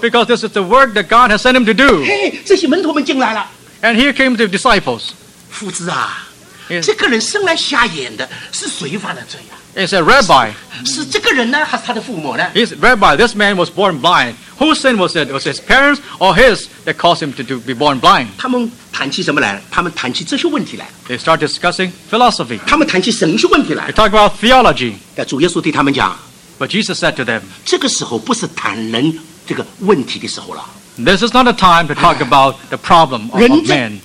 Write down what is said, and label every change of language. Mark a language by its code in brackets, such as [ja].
[en] Because this is the work that God has sent him to do. [zh] 嘿，这些门徒们进来了。 [en] And here came the disciples. [zh] 夫子啊， yes. 这个人生来瞎眼的，是谁犯了罪啊？ [en] He said, Rabbi. [zh] 是这个人呢，还是他的父母呢？ [en] He said, Rabbi, this man was born blind. Whose sin was it? Was it his parents or his that caused him to be born blind? They start discussing philosophy. They talk about theology. But Jesus said to them, this is not a time to talk about the problem of man.